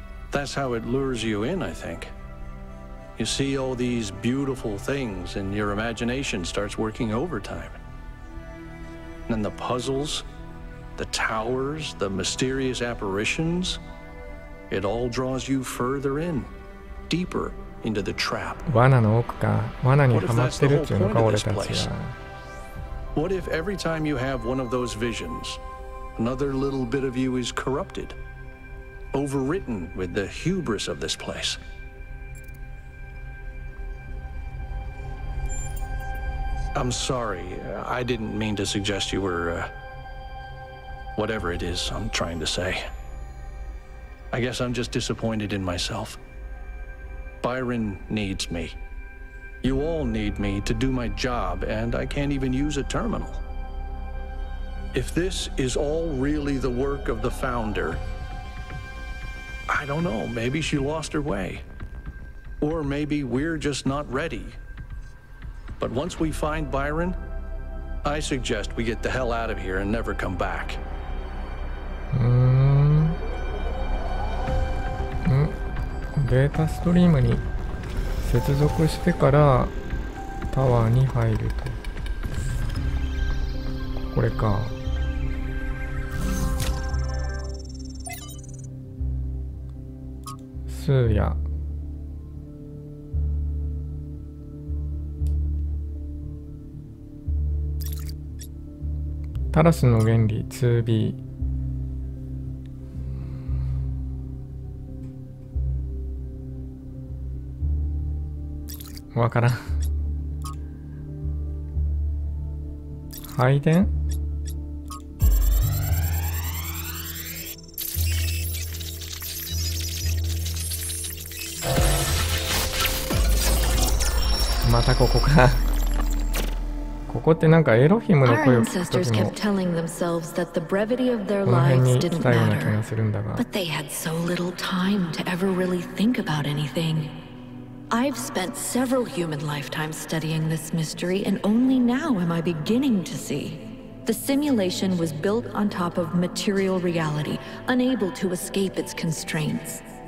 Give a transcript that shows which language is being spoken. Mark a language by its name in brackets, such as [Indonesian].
[English] That's how it lures you in, I think. You see all these beautiful things, and your imagination starts working overtime. And the puzzles, the towers, the mysterious apparitions, it all draws you further in, deeper into the trap. [Japanese] 罠の奥か、罠にはまってるっていうのか、俺たちは。 [English] What if every time you have one of those visions, another little bit of you is corrupted, overwritten with the hubris of this place? I'm sorry. I didn't mean to suggest you were, whatever it is I'm trying to say. I guess I'm just disappointed in myself. Byron needs me. You all need me to do my job, and I can't even use a terminal. If this is all really the work of the founder, I don't know. Maybe she lost her way. Or maybe we're just not ready. But once we find Byron, I suggest we get the hell out of here and never come back. [Japanese] データストリームに接続してからタワーに入ると、これか。スーヤ、タラスの原理 2B。わからん。配電？またここか。ここってなんかエロヒムの声を聞くときも、この辺に来たような気がするんだが。 [English] But they had so little time to ever really think about anything. I've spent several human lifetimes studying this mystery, and only now am I beginning to see. The simulation was built on top of material reality, unable to escape its constraints.